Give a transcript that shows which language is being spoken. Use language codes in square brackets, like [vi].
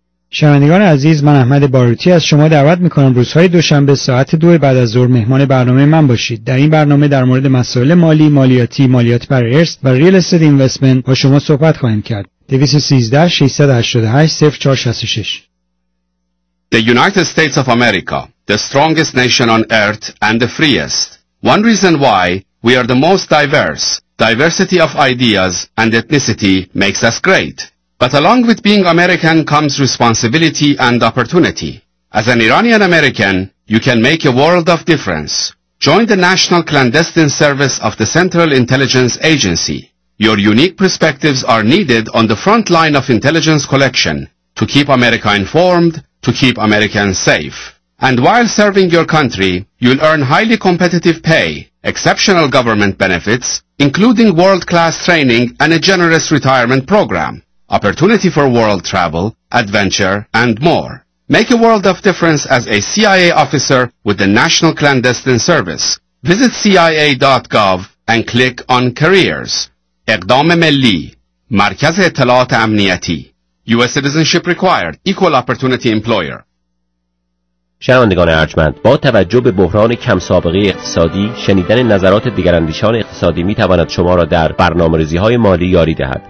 [fa] شنوندگان عزیز، من احمد باروتی از شما دعوت میکنم روزهای دوشنبه ساعت 2 بعد از ظهر مهمان برنامه من باشید. در این برنامه در مورد مسائل مالی، مالیاتی، مالیات بر ارث و ریال استیت اینوستمنت با شما صحبت خواهیم کرد. 213-688-0466. [en] The United States of America, the strongest nation on earth and the freest. One reason why we are the most diverse. Diversity of ideas and ethnicity makes us great. But along with being American comes responsibility and opportunity. As an Iranian American, you can make a world of difference. Join the National Clandestine Service of the Central Intelligence Agency. Your unique perspectives are needed on the front line of intelligence collection to keep America informed, to keep Americans safe. And while serving your country, you'll earn highly competitive pay, exceptional government benefits, including world-class training and a generous retirement program. Opportunity for world travel, adventure, and more. Make a world of difference as a CIA officer with the National Clandestine Service. Visit CIA.gov and click on Careers. [fa] اقدام ملی، مرکز اطلاعات امنیتی. [en] U.S. Citizenship Required. Equal Opportunity Employer. [fa] شنوندگان ارجمند، با توجه به بحران کم سابقه اقتصادی، شنیدن نظرات دیگراندیشان اقتصادی می تواند شما را در برنامه‌ریزی های مالی یاری دهد.